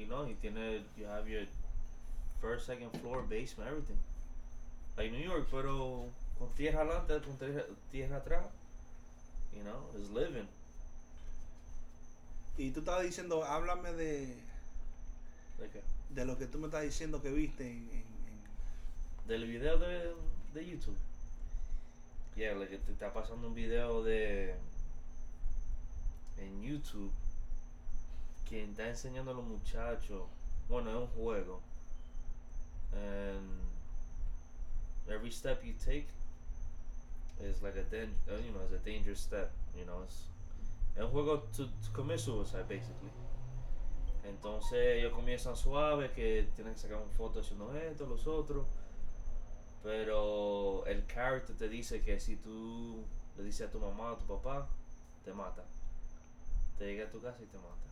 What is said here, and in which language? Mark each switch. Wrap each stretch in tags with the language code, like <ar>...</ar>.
<es>Y no, y tiene,</es> <en>you have your first, second floor, basement, everything. Like New York,</en> <es>pero con tierra adelante, con tierra atrás.</es> <en>You know, it's living.</en> <es>Y tú estabas diciendo, háblame de... ¿De qué? De lo que tú me estás diciendo que viste en... Del video de YouTube. Yeah, lo que te está pasando un video de... En YouTube. Quien está enseñando a los muchachos. Bueno, es un juego.</es> <en>And... Every step you take... Is like a danger, you know, it's a dangerous step. You know, it's...</en> <es>Es un juego</es> <en>to commit suicide, basically.</en> <es>Entonces ellos comienzan suave, que tienen que sacar una foto haciendo esto, los otros. Pero el character te dice que si tú le dices a tu mamá o a tu papá, te mata. Te llega a tu casa y te mata.</es>